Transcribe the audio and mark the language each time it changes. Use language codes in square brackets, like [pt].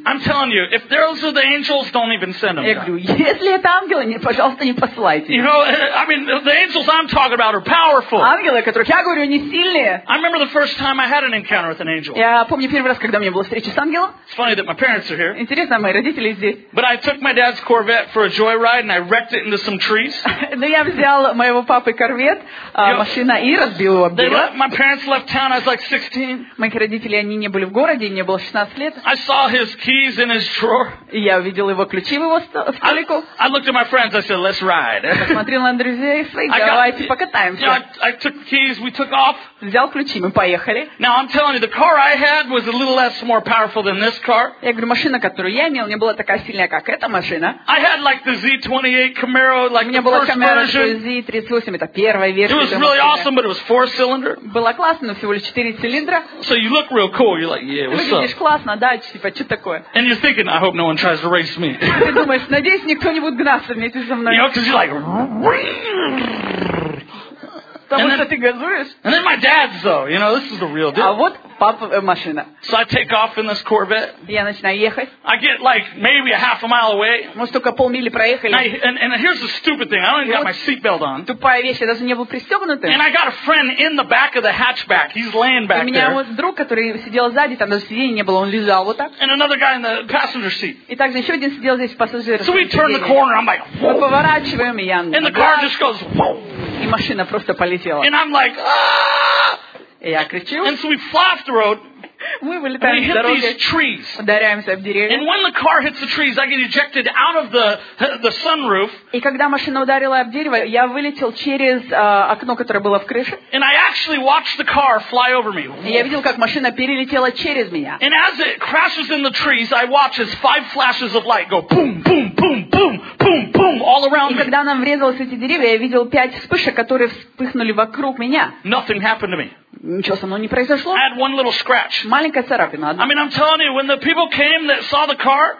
[en] I'm telling you, if those are the angels, don't even send them. [ru] Я говорю, если это ангелы, пожалуйста, не посылайте. [en] You know, I mean, the angels I'm talking about are powerful. [ru] Ангелы, о которых я говорю, они сильные. [en] I remember the first time I had an encounter with an angel. [ru] Я помню первый раз, когда у меня была встреча с ангелом. [en] It's funny that my parents are here. [ru] Интересно, мои родители здесь. [en] But I took my dad's Corvette for a joyride and I wrecked it into some trees. [ru] Но я взял моего папы Корвет, машина, и разбил его. [en] My parents left town. I was like 16. [ru] Мои родители, они не были в городе, мне было 16 лет. [en] I saw his keys in his drawer. [ru] Я увидел его ключи в его столику. [en] I looked at my friends. I said, "Let's ride." [ru] Посмотрел на друзей, давайте покатаемся. [en] I took keys. We took off. [ru] Взял ключи, мы поехали. [en] Now I'm telling you, the car I had was a little less more powerful than this car. [ru] Я говорю, машина, которую я имел, не была такая сильная, как эта машина. [en] I had like the Z28 Camaro, like the first Camaro version. [ru] У меня была Camaro Z38, это первая версия. [en] It was really awesome, but it was 4-cylinder. [ru] Было классно, всего лишь 4 цилиндра. [en] So you look real cool. You're like, yeah, what's up? [ru] Выглядишь классно, да, типа, что такое? [en] And you're thinking, I hope no one tries to race me. [ru] Ты думаешь, надеюсь, никто не будет гнаться вместе со мной. [en] You know, because you're like... And then my dad's though, you know, this is the real deal. [ru] А вот папа машина. [en] So I take off in this Corvette. [ru] Я начинаю ехать. [en] I get like maybe a half a mile away. [ru] Мы только полмили проехали. [en] And here's the stupid thing. I don't even got my seatbelt on. [ru] Тупая вещь, я даже не был пристегнутым. [en] And I got a friend in the back of the hatchback. He's laying back there. [ru] У меня вот друг, который сидел сзади, там даже сиденья не было, он лежал вот так. [en] And another guy in the passenger seat. [ru] И также еще один сидел здесь в пассажирском. [en] So we turn the corner. I'm like. [ru] Мы поворачиваем, и я. [en] And the car just goes. [ru] И машина просто полетела. [en] And I'm like, [ru] и я кричу. [en] And so we fly off the road. [ru] Мы вылетаем с дороги. [en] And we hit these trees. [ru] Ударяемся в деревья. [en] And when the car hits the trees, I get ejected out of the sunroof. [ru] И когда машина ударила об дерево, я вылетел через окно, которое было в крыше. [en] And I actually watched the car fly over me. [ru] И я видел, как машина перелетела через меня. [en] And as it crashes in the trees, I watch as 5 flashes of light go boom, boom, boom, boom, boom, boom all around me. [ru] И когда она врезалась в эти деревья, я видел 5 вспышек, которые вспыхнули вокруг меня. [en] Nothing happened to me. [ru] Ничего со мной не произошло. [en] I had one little scratch. [ru] Маленькая царапина. [en] I mean, I'm telling you, when the people came that saw the car,